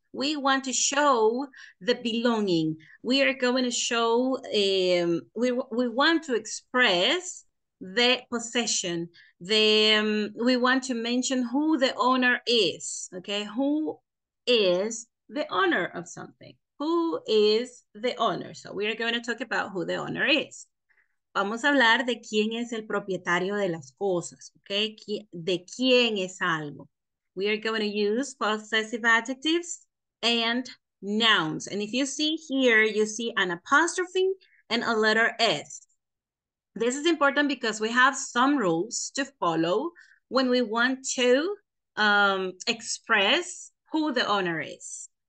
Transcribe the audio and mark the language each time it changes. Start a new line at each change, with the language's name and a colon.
English: We want to show the belonging. We are going to show, we want to express the possession. We want to mention who the owner is, okay? Who is the owner of something? Who is the owner? So we are going to talk about who the owner is.
Spanish: Vamos a hablar de quién es el propietario de las cosas, ¿ok? De quién es algo.
English: We are going to use possessive adjectives and nouns. And if you see here, you see an apostrophe and a letter S. This is important because we have some rules to follow when we want to express who the owner is.